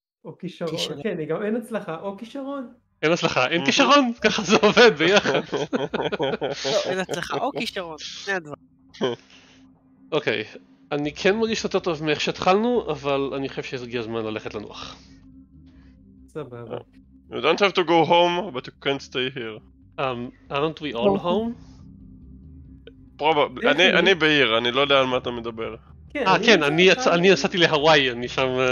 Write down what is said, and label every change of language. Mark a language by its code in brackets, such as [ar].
[he] או כישרון, כן, גם אין הצלחה או כישרון. אין הצלחה, אין כישרון, ככה זה עובד ביחד. אין הצלחה או כישרון, שני הדברים. אוקיי, אני כן מרגיש יותר טוב מאיך שהתחלנו, אבל אני חושב שהגיע הזמן ללכת לנוח. סבבה. [en] You don't have to go home, but you can't stay here. Aren't we all home? [he] Probably, אני בעיר, אני לא יודע על מה אתה מדבר. כן, אני נסעתי להוואי, אני שם...